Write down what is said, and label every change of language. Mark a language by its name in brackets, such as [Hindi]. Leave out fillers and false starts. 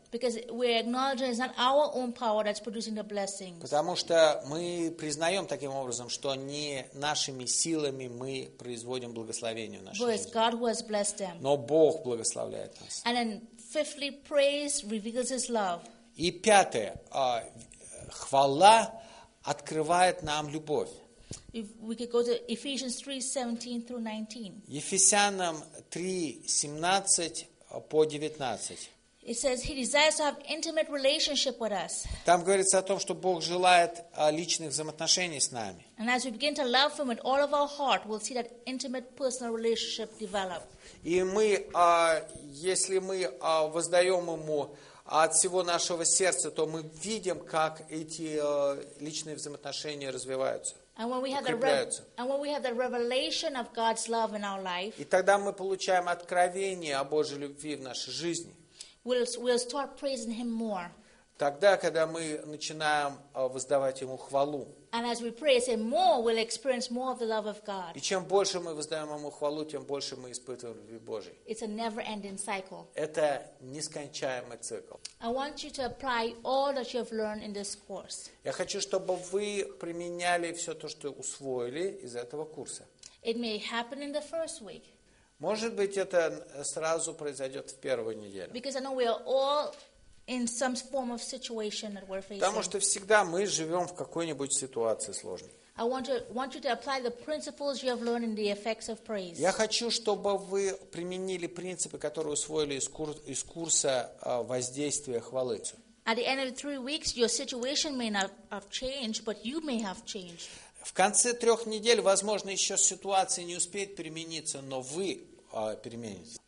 [English] Because we acknowledge it's not our own power that's producing the blessings. [Russian] Потому что мы признаем таким образом, что не нашими силами мы производим благословение в нашей жизни. [English] But it's God who has blessed them. [Russian] Но Бог благословляет нас. [English] And then fifthly, praise reveals His love. [Russian] И пятое, хвала открывает нам любовь. [English] If we could go to Ephesians 3:17 through 19. [Russian] Ефесянам 3:17-19. [English] It says he desires to have intimate relationship with us. [Russian] Там говорится о том, что Бог желает личных взаимоотношений с нами. [English] And as we begin to love him with all of our heart, we'll see that intimate personal relationship develop. [Russian] И мы, если мы воздаем ему от всего нашего сердца, то мы видим, как эти личные взаимоотношения развиваются. [English] And when we have the revelation of God's love in our life. [Russian] И тогда мы получаем откровение о Божьей любви в нашей жизни. [English] We'll start praising him more. [Russian] Тогда, когда мы начинаем воздавать Ему хвалу. [English] And as we praise Him more, we'll experience more of the love of God. [Russian] И чем больше мы воздаем Ему хвалу, тем больше мы испытываем любви Божией. [English] It's a never-ending cycle. [Russian] Это нескончаемый цикл. [English] I want you to apply all that you've learned in this course. [Russian] Я хочу, чтобы вы применяли все то, что усвоили из этого курса. [English] It may happen in the first week. [Russian] Может быть, это сразу произойдет в первую неделю. [English] Because I know we are all in some form of situation that we're facing. [Russian] Потому что всегда мы живем в какой-нибудь ситуации сложной. [English] I want you to apply the principles you have learned in the effects of praise. [Russian] Я хочу, чтобы вы применили принципы, которые усвоили из курса воздействия хвалы. [English] At the end of 3 weeks, your situation may not have changed, but you may have changed. [Russian] В конце 3 недель, возможно, еще ситуация не успеет перемениться, но вы переменитесь.